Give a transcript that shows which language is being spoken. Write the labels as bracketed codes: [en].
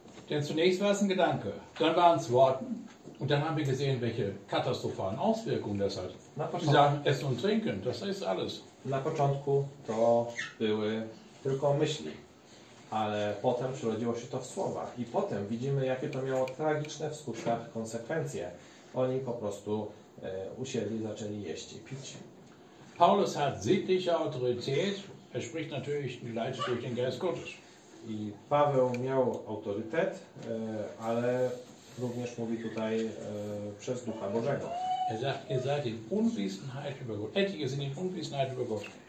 [de] Denn zunächst war es ein Gedanke, dann waren es Worte und dann haben wir gesehen, welche katastrophalen Auswirkungen das hat. Sie sagen, Essen und Trinken, das ist alles. [pl] Na początku to były tylko myśli, ale potem przerodziło się to w słowa i potem widzimy, jakie to miało tragiczne w skutkach konsekwencje. Oni po prostu usiedli, zaczęli jeść i pić. [de] Paulus hat sittliche Autorität, er spricht natürlich geleitet durch den Geist Gottes. [pl] I Paweł miał autorytet, ale również mówi tutaj przez Ducha Bożego. [de] Er sagt, ihr seid in Unwissenheit über Gott. Etliche sind in Unwissenheit über Gott.